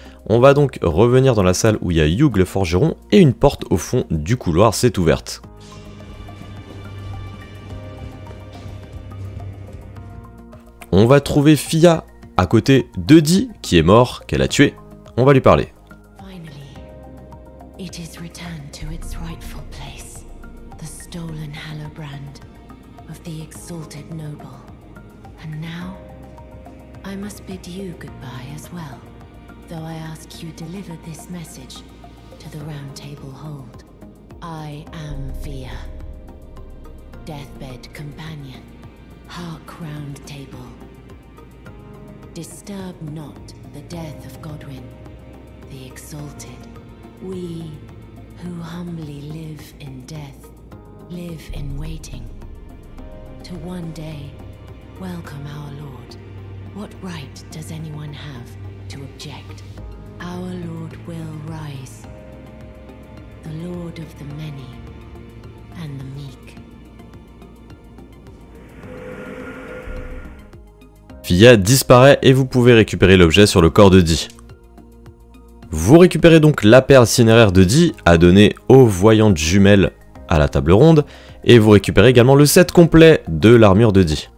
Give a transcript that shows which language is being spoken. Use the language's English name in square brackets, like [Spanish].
[French] On va donc revenir dans la salle où il y a Hugues le forgeron et une porte au fond du couloir s'est ouverte. On va trouver Fia à côté de Dee, qui est mort, qu'elle a tué. On va lui parler. [English] Finally, it is returned to its rightful place, the stolen Hallobrand of the exalted noble. And now, I must bid you goodbye as well, though I ask you deliver this message to the Round Table Hold. I am Fia, deathbed companion, Hark Round Table. Disturb not the death of Godwin, the exalted. We, who humbly live in death, live in waiting. To one day, welcome our Lord. What right does anyone have to object? Our Lord will rise, the Lord of the many and the meek. [French] Fia disparaît et vous pouvez récupérer l'objet sur le corps de Dee. Vous récupérez donc la perle cinéraire de Dee à donner aux voyantes jumelles à la table ronde, et vous récupérez également le set complet de l'armure de Dee.